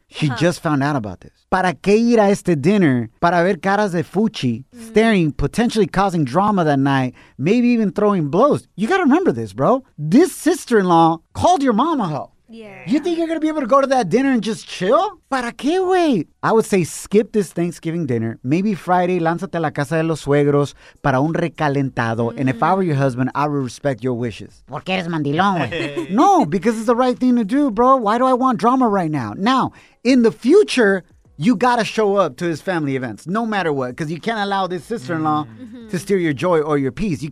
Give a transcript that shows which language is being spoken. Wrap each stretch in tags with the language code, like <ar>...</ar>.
<en>She just found out about this.</en> <es>¿Para qué ir a este</es> <en>dinner?</en> <es>Para ver caras de fuchi,</es> <en>staring, potentially causing drama that night, maybe even throwing blows. You gotta remember this, bro. This sister-in-law called your mom a hoe. Yeah. You think you're going to be able to go to that dinner and just chill?</en> <es>¿Para qué, güey?</es> <en>I would say skip this Thanksgiving dinner. Maybe Friday,</en> <es>lánzate a la casa de los suegros para un recalentado.</es> <en>Mm-hmm. And if I were your husband, I would respect your wishes.</en> <es>¿Por qué eres mandilón, güey?</es> <en>No, because it's the right thing to do, bro. Why do I want drama right now? Now, in the future, you got to show up to his family events, no matter what, because you can't allow this sister-in-law to steal your joy or your peace.</en>